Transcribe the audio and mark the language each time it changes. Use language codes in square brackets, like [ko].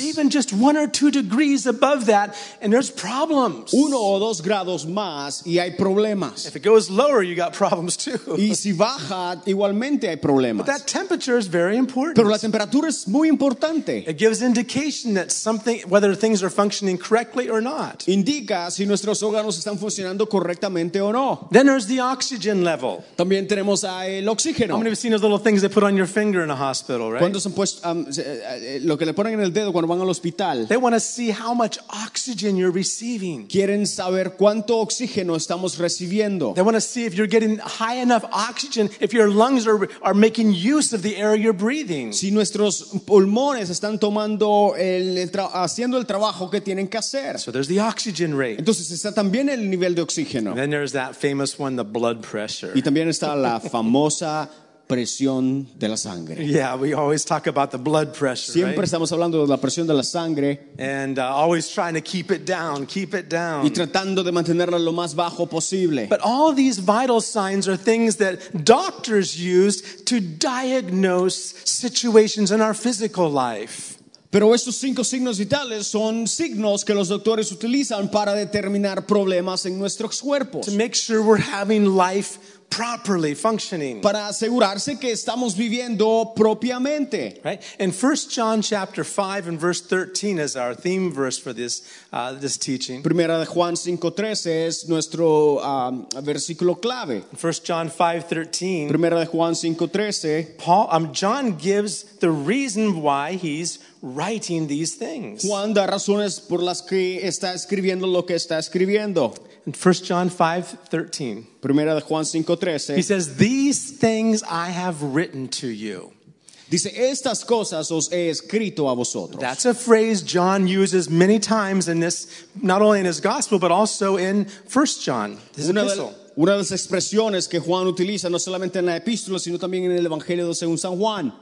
[en] Even just 1 or 2 degrees above that, and there's problems. [es] Uno o dos grados más y hay problemas. [en] If it goes lower, you got problems too. [es] Y si baja, igualmente hay problemas. [en] But that temperature is very important. [es] Pero la temperatura es muy importante. [en] It gives indication that something, whether things are functioning correctly or not. [es] Indica si nuestros órganos están funcionando correctamente o no. [en] Then there's the oxygen level. [es] También tenemos usa el oxígeno. [en] How many of you seen those little things they put on your finger in a hospital, right? [es] ¿Cuántos han puesto lo que le ponen en el dedo cuando van al hospital? [en] They want to see how much oxygen you're receiving. [es] Quieren saber cuánto oxígeno estamos recibiendo. [en] They want to see if you're getting high enough oxygen, if your lungs are making use of the air you're breathing. [es] Si nuestros pulmones están tomando haciendo el trabajo que tienen que hacer. [en] So there's the oxygen rate. [es] Entonces está también el nivel de oxígeno. [en] And then there's that famous one, the blood pressure. [es] Y también está la famosa presión de la sangre. [en] Yeah, we always talk about the blood pressure. [es] Siempre [en] right? [es] estamos hablando de la presión de la sangre. [en] And always trying to keep it down, keep it down. [es] Y tratando de mantenerla lo más bajo posible. [en] But all these vital signs are things that doctors use to diagnose situations in our physical life. [es] Pero estos cinco signos vitales son signos que los doctores utilizan para determinar problemas en nuestros cuerpos. [en] To make sure we're having life properly functioning. [es] Para asegurarse que estamos viviendo propiamente. [en] Right? And 1 John chapter 5 and verse 13 is our theme verse for this teaching. [es] Primera de Juan 5:13 es nuestro versículo clave. [en] 1 John 5:13. [es] Primera de Juan 5:13. [en] John gives the reason why he's writing these things. [es] Juan da razones por las que está escribiendo lo que está escribiendo. [en] In 1 John 5:13. [es] Primera de Juan 5:13. [en] He says, "These things I have written to you." [es] Dice, "Estas cosas os he escrito a vosotros." [en] That's a phrase John uses many times in this, not only in his gospel but also in 1 John. His epistle. [es] Una de las expresiones que Juan utiliza no solamente en la epístola sino también en el Evangelio según San Juan.